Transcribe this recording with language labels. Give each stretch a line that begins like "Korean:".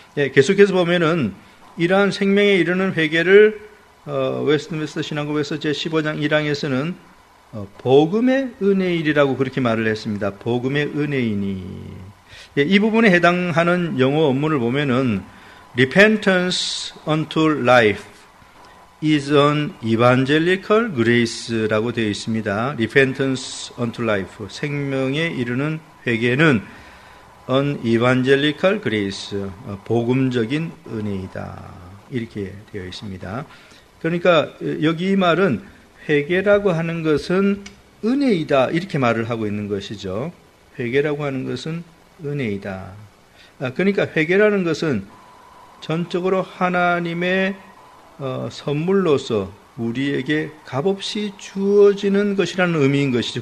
Korean: 예, 계속해서 보면은 이러한 생명에 이르는 회개를 웨스트민스터 신앙고백서 제15장 1항에서는 복음의 은혜일이라고 그렇게 말을 했습니다. 복음의 은혜이니. 예, 이 부분에 해당하는 영어 원문을 보면은
English: Repentance unto life is an evangelical grace
Korean: 라고 되어 있습니다.
English: Repentance unto life,
Korean: 생명에 이르는 회개는
English: an evangelical grace,
Korean: 복음적인 은혜이다. 이렇게 되어 있습니다. 그러니까 여기 이 말은 회개라고 하는 것은 은혜이다. 이렇게 말을 하고 있는 것이죠. 회개라고 하는 것은 은혜이다. 그러니까 회개라는 것은 전적으로 하나님의 선물로서 우리에게 값없이 주어지는 것이라는 의미인 것이죠.